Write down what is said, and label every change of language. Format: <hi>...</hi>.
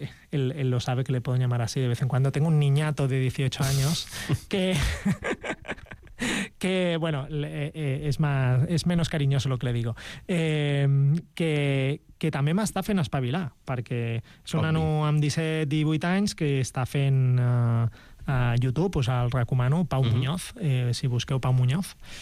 <es>Él lo sabe, que le puedo llamar así de vez en cuando. Tengo un niñato de 18 años que bueno, es menos cariñoso lo que le digo.</es> <ca>Que també m'està fent espavilar, perquè és un nano amb 17-18 anys que està fent... a YouTube, pues el recomano, Pau Muñoz, si busqueu Pau Muñoz.</ca>